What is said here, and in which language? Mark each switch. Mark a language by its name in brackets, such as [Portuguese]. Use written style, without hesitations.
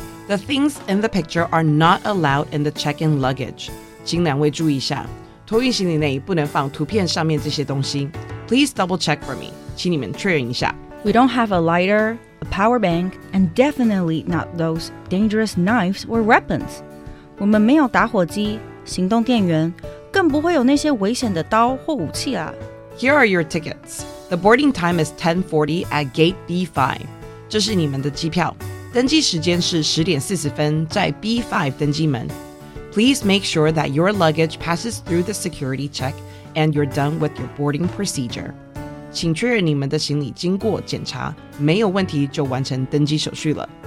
[English] The things in the picture are not allowed in the check-in luggage. [Chinese] 请两位注意一下托运行李内不能放图片上面这些东西 [English] Please double check for me. [Chinese] 请你们确认一下 [English] We don't have a lighter, a power bank, and definitely not those dangerous knives or weapons. [Chinese] 我们没有打火机、行动电源，更不会有那些危险的刀或武器啊。 [English] Here are your tickets. The boarding time is 10:40 at gate B5. [Chinese] 这是你们的机票。登机时间是10:40在 B5 登机门。 [English] Please make sure that your luggage passes through the security check and you're done with your boarding procedure. [Chinese] 请确认你们的行李经过检查，没有问题就完成登机手续了。